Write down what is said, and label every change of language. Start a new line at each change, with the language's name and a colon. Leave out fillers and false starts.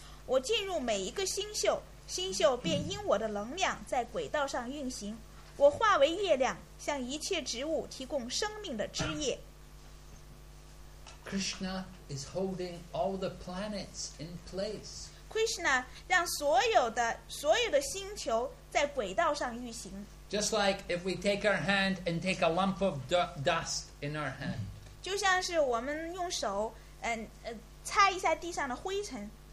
Chinese: 我进入每一个星宿, 星宿便因我的能量在轨道上运行。我化为月亮, 向一切植物提供生命的枝叶。
English: Krishna is holding all the planets in place.
Chinese: Krishna 让所有的星球在轨道上运行。
English: Just like if we take our hand and take a lump of dust in our hand.
Chinese: 就像是我们用手, 擦一下地上的灰尘。